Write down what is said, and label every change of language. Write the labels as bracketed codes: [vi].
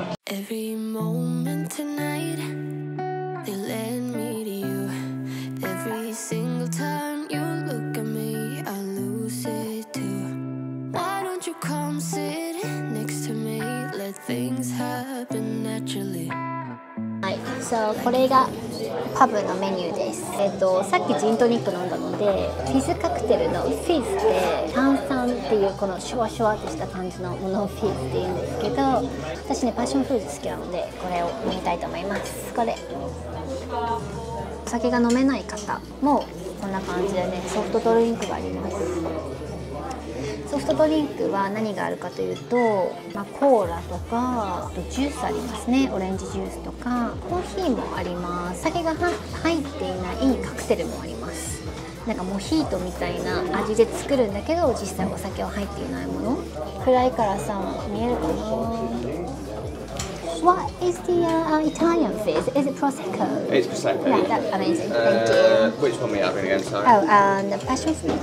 [en] Every single time you look at me I lose it too. Why don't you come sit next to me? Let things happen naturally. [ja] はい、so, これがパブのメニューです。さっきジントニック飲んだので、フィズカクテルのフィズって炭酸っていう、このシュワシュワとした感じのものをフィズって言うんですけど、私ねパッションフルーツ好きなのでこれを飲みたいと思います。これ、お酒が飲めない方もこんな感じでね、ソフトドリンクがあります。ソフトドリンクは何があるかというと、まあ、コーラとか、あとジュースありますね。オレンジジュースとかコーヒーもあります。酒が入っていないカクテルもあります。なんかモヒートみたいな味で作るんだけど、実際お酒は入っていないもの。暗いからさ見えるかな。 [en] What is the Italian fizz? Is it Prosecco? It's Prosecco. Yeah, that's amazing. Thank you. Which one are we having again, sorry? Oh, and the passion fruit.